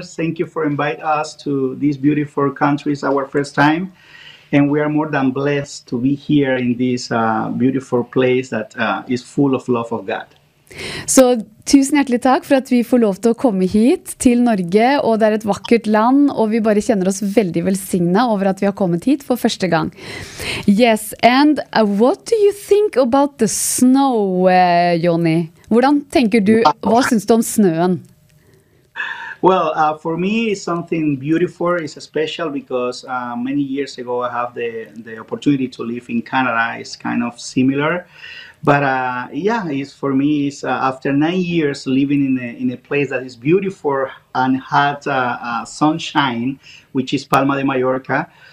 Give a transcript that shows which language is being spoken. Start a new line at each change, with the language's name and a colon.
English: Thank you for inviting us to this beautiful country. It's our first time. And we are more than blessed to be here in this beautiful place that is full of love of God.
Norwegian: Så tusen hjertelig takk for at vi får lov til å komme hit til Norge, og det et vakkert land, og vi bare kjenner oss veldig velsignet over at vi kommet hit for første gang.
English: Yes, and what do you think about the snow, Joni?
Norwegian: Hvordan tenker du, hva synes du om snøen?
English: Well, for me, it's something beautiful, it's special because many years ago I have the opportunity to live in Canada, it's kind of similar. But yeah, it's for me. It's after 9 years living in a place that is beautiful and had sunshine, which is Palma de Mallorca.